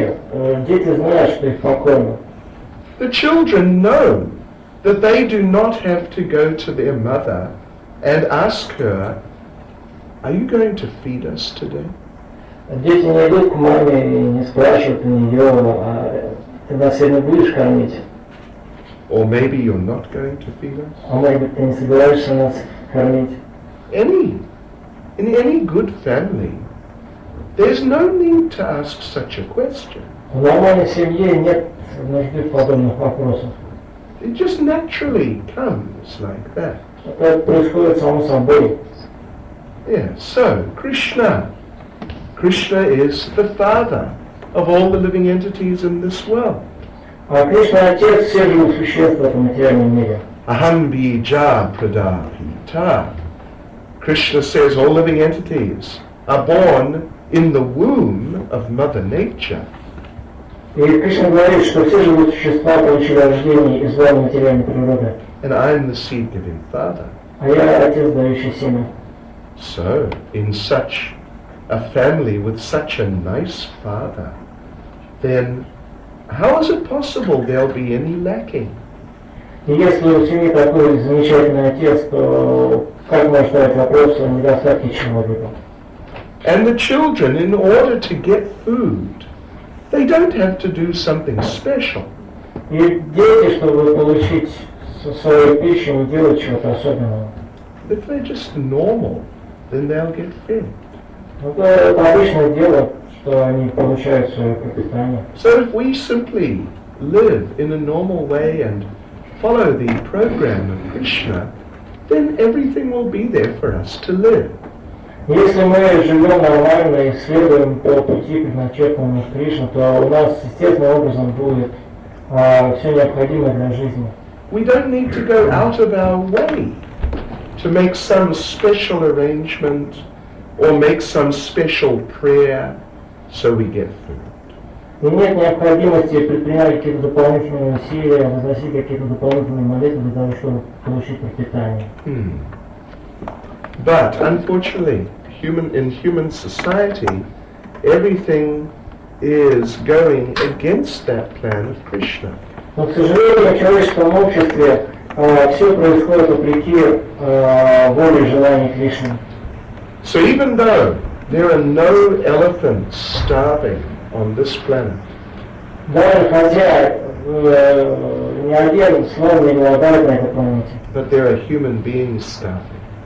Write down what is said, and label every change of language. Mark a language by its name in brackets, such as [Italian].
[English] The children know that they do not have to go to their mother and ask her, are you going to feed us today? [Russian] Дети не идут к маме и не спрашивают у нее, ты нас сегодня будешь кормить? [English] Or maybe you're not going to feed us? [Russian] А может быть, ты не собираешься нас кормить? [English] In any good family, there's no need to ask such a question. [Russian] В нормальной семье нет нужды в подобных вопросах. [English] It just naturally comes like that. [Russian] Это происходит само собой. [English] Yeah, so, Krishna. Krishna is the father of all the living entities in this world. [Russian] Krishna отец всех живых существ в этом материальном мире. [Sanskrit] Aham bija pradapita. [English] Krishna says all living entities are born in the womb of Mother Nature. [Russian] И Кришна говорит, что все живые существа получили рождение из лона материальной природы. [English] And I am the seed-giving father. [Russian] А я отец, дающий семя. [English] So, in such a family with such a nice father, then how is it possible there'll be any lacking? [Russian] Если у семьи такой замечательный отец, то как можно ставить вопрос о недостатке чего-либо? [English] And the children, in order to get food, they don't have to do something special. [Russian] И дети, чтобы получить свою пищу, не делают чего-то особенного. [English] If they're just normal, then they'll get fed. [Russian] Это обычное дело, что они получают свое пропитание. [English] So if we simply live in a normal way and follow the program of Krishna, then everything will be there for us to live. [Russian] Если мы живем нормально и следуем по пути предначертанному Кришне, то у нас естественным образом будет все необходимое для жизни. [English] We don't need to go out of our way to make some special arrangement or make some special prayer so we get food. [Russian] Нет необходимости предпринимать какие-то дополнительные усилия, возносить какие-то дополнительные молитвы для того, чтобы получить пропитание. [English] But unfortunately, in human society, everything is going against that plan of Krishna. [Russian] Но, к сожалению, в человеческом обществе все происходит вопреки воле и желанию Кришны. [English] So even though there are no elephants starving on this planet, but there are human beings starving.